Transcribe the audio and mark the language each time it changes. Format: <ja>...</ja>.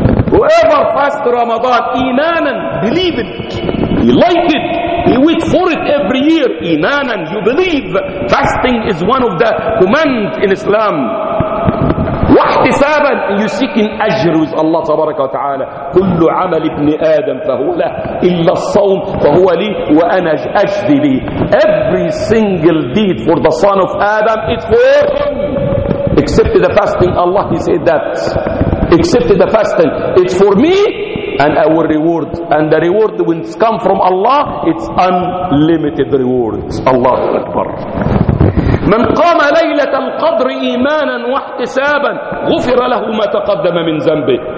<en>Whoever fast Ramadan imanan, believe it, he like it, he wait for it every year. Imanan, you believe. Fasting is one of the command in Islam. واحتسابا you seek in أجر with Allah تبارك وتعالى.</en> <ar>كل عمل ابن آدم فهو له إلا الصوم فهو لي وأنا أجري به.</ar> <en>Every single deed for the son of Adam, it's for him. Except the fasting, Allah, he said that. Except the fasting, it's for me and our reward. And the reward when it's come from Allah, it's unlimited rewards. Allah Akbar.</en> <ar>من قام ليلة القدر إيمانا واحتسابا غفر له ما تقدم من ذنبه.</ar>